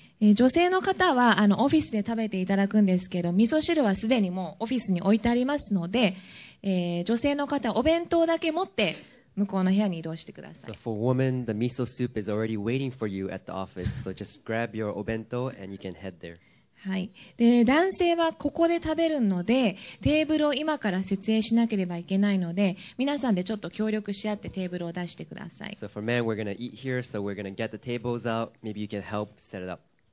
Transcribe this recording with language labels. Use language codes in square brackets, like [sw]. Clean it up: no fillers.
[ja] 女性の方はオフィスで食べていただくんですけど、味噌汁はすでにもうオフィスに置いてありますので、女性の方はお弁当だけ持って、向こうの部屋に移動してください。 [en] So for women, the miso soup is already waiting for you at the office. So just grab your obento and you can head there. [ja] はい。で、男性はここで食べるので、テーブルを今から設営しなければいけないので、皆さんでちょっと協力し合ってテーブルを出してください。 [en] So for men, we're gonna eat here, so we're gonna get the tables out. Maybe you can help set it up.